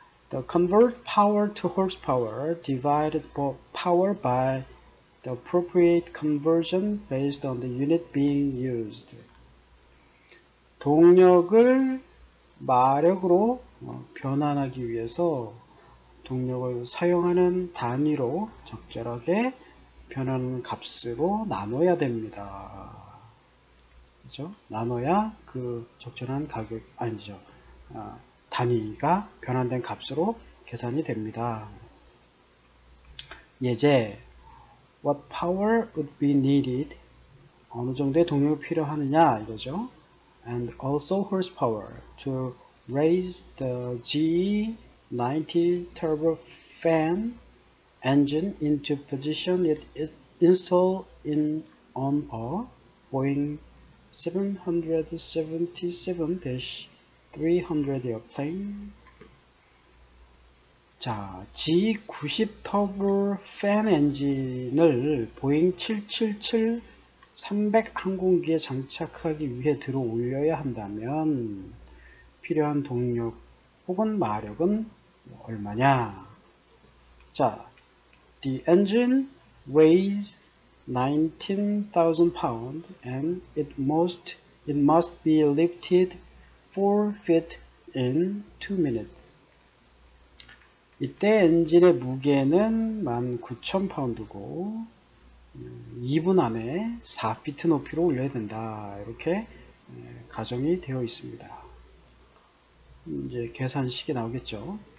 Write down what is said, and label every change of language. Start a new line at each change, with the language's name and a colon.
English: The convert power to horsepower divided power by the appropriate conversion based on the unit being used.
Korean: 동력을 마력으로 변환하기 위해서 동력을 사용하는 단위로 적절하게 변환 값으로 나눠야 됩니다. 그렇죠? 나눠야 그 적절한 가격, 아니죠. 단위가 변환된 값으로 계산이 됩니다.
English: 예제, What power would be needed?
Korean: 어느 정도의 동력이 필요하느냐? 이거죠.
English: And also horsepower to raise the GE90 turbo fan engine into position it is installed in on a Boeing 777-300 airplane.
Korean: 자, GE90 turbo fan 엔진을 보잉 777 300 항공기에 장착하기 위해 들어 올려야 한다면 필요한 동력 혹은 마력은 얼마냐?
English: 자, The engine weighs 19,000 pounds and it must be lifted 4 feet in 2 minutes.
Korean: 이때 엔진의 무게는 19,000 파운드고 2분 안에 4피트 높이로 올려야 된다. 이렇게 가정이 되어 있습니다. 이제 계산식이 나오겠죠.